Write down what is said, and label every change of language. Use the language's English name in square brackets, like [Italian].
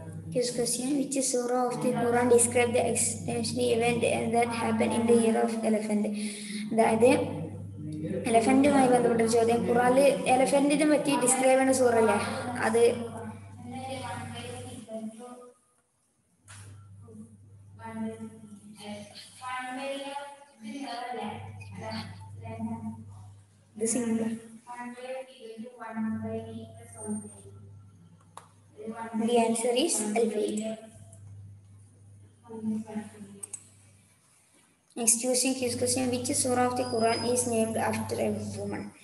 [English] His question, which is surah of the Quran describe the extinction event that happened in the year of elephant? [Malayalam] അതായത് എലഫന്റുമായി ബന്ധപ്പെട്ട ചോദ്യം. ഖുറാൻ എലഫന്റിനെ പറ്റി describe ചെയ്യുന്ന സൂറ അല്ലേ, അത് [English] the answer is Al-Fil. Next question, his question, which surah of the Quran is named after a woman?